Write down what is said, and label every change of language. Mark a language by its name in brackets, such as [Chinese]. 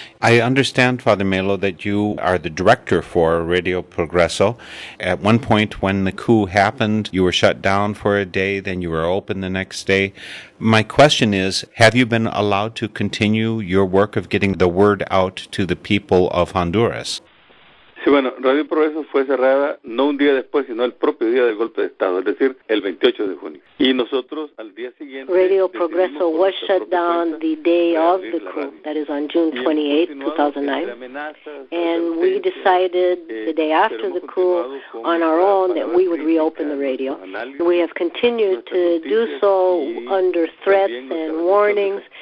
[English] I understand, Father Melo, that you are the director for Radio Progreso. At one point when the coup happened, you were shut down for a day, then you were open the next day. My question is, have you been allowed to continue your work of getting the word out to the people of Honduras? [Spanish] Sí, bueno, Radio Progreso fue cerrada no un día después, sino el propio día del golpe de Estado, es decir, el 28 de junio. Y nosotros, al día siguiente, [English] Radio Progreso was shut down the day of the coup, that is on June 28, 2009. And we decided the day after the coup on our own that we would reopen the radio. We have continued to do so under threats and warnings.